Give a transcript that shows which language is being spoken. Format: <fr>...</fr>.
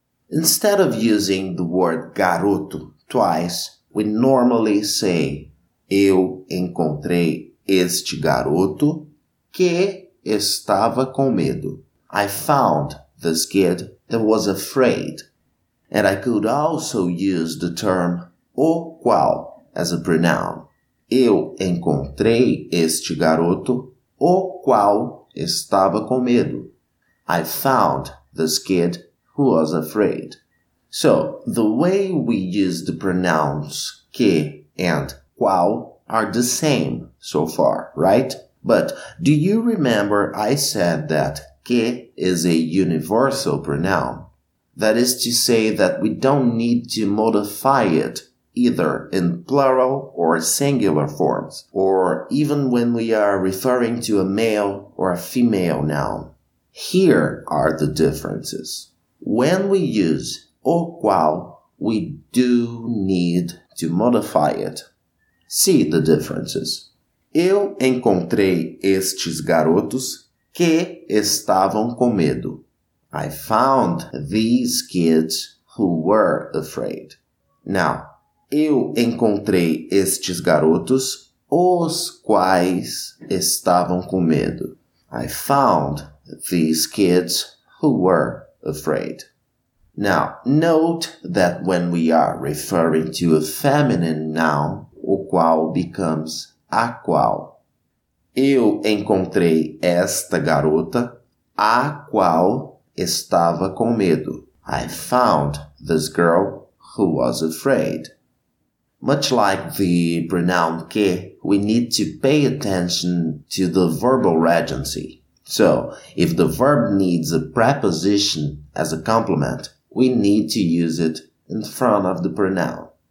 <en>Instead of using the word garoto twice, we normally say</en> <pt>eu encontrei este garoto que estava com medo.</pt> <en>I found this kid that was afraid. And I could also use the term o qual as a pronoun.</en> <pt>Eu encontrei este garoto o qual estava com medo.</pt> <en>I found this kid who was afraid. So, the way we use the pronouns que and qual are the same so far, right? But do you remember I said that que is a universal pronoun? That is to say that we don't need to modify it either in plural or singular forms, or even when we are referring to a male or a female noun. Here are the differences. When we use o qual, we do need to modify it. See the differences.</en> <pt>Eu encontrei estes garotos que estavam com medo.</pt> <en>I found these kids who were afraid.</en> <pt>Now, eu encontrei estes garotos os quais estavam com medo.</pt> <en>I found these kids who were afraid. Now, note that when we are referring to a feminine noun, o qual becomes a qual.</en> <pt>Eu encontrei esta garota a qual estava com medo.</pt> <en>I found this girl who was afraid. Much like the pronoun que, we need to pay attention to the verbal regency. So, if the verb needs a preposition as a complement, we need to use it in front of the pronoun.</en>